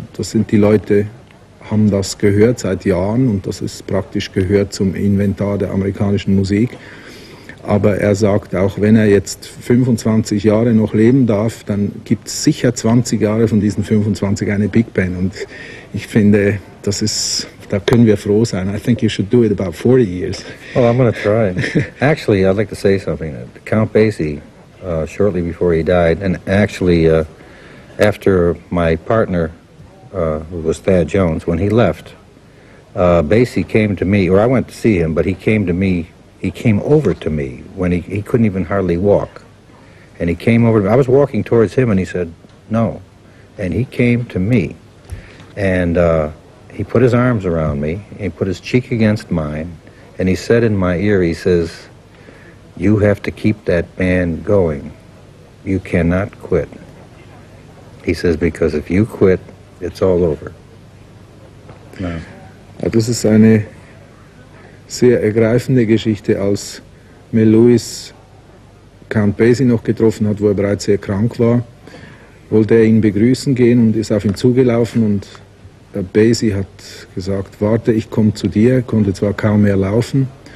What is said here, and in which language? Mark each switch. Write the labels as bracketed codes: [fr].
[de] Das sind die Leute, haben das gehört seit Jahren und das ist praktisch gehört zum Inventar der amerikanischen Musik. Aber er sagt, auch wenn er jetzt 25 Jahre noch leben darf, dann gibt es sicher 20 Jahre von diesen 25 eine Big Band. Und ich finde, das ist, da können wir froh sein. [en] I think you should do it about 40 years. Well, I'm going to try. Actually, I'd like to say something. Count Basie, shortly before he died, and actually after my partner, who was Thad Jones, when he left, Basie came to me, or I went to see him, but he came to me, he came over to me when he couldn't even hardly walk. And he came over to me. I was walking towards him, and he said, no. And he came to me. And he put his arms around me, and he put his cheek against mine, and he said in my ear, he says, you have to keep that band going. You cannot quit. He says, because if you quit, it's all over. Now. [de] Das ist eine sehr ergreifende Geschichte, als Mel Lewis Count Basie noch getroffen hat, wo er bereits sehr krank war, wollte er ihn begrüßen gehen und ist auf ihn zugelaufen und Basie hat gesagt, warte, ich komme zu dir, konnte zwar kaum mehr laufen.